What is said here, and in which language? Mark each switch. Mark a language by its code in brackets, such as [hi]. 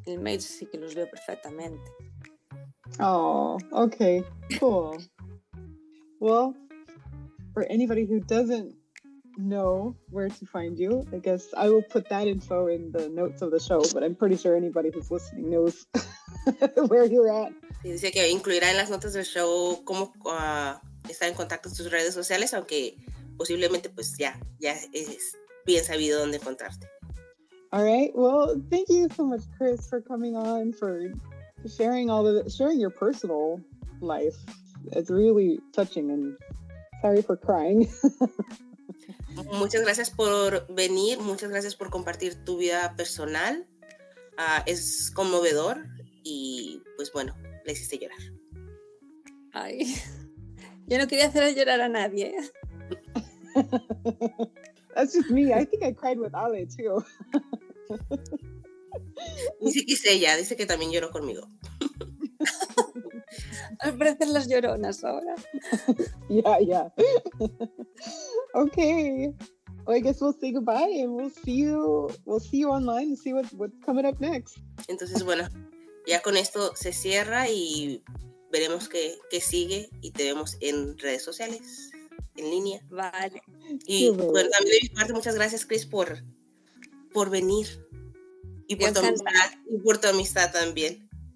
[es] El mail sí que los veo perfectamente. [en] Oh, okay. Cool. Well, for anybody who doesn't know where to find you, I guess I will put that info in the notes of the show, but I'm pretty sure anybody who's listening knows where you're at. [es] Dice que incluirá en las notas del show cómo estar en contacto con tus redes sociales, aunque posiblemente pues ya es bien sabido dónde encontrarte. [en] All right. Well, thank you so much, Chris, for coming on, for sharing your personal life. It's really touching, and sorry for crying. [es] Muchas gracias por venir, muchas gracias por compartir tu vida personal. Es conmovedor y pues bueno, le hiciste llorar. Ay, yo no quería hacer llorar a nadie. [en] That's just me. I think I cried with Ale too. [es] Dice ella, dice que también lloró conmigo. Al parecer las lloronas ahora. [en] Yeah. Okay. Well, I guess we'll say goodbye and we'll see you online and see what's coming up next. [es] Entonces, bueno, ya con esto se cierra y veremos qué sigue y te vemos en redes sociales, en línea. Vale. Y bueno, también de mi parte, muchas gracias, Chris, por venir y por tu amistad. Y por tu amistad también.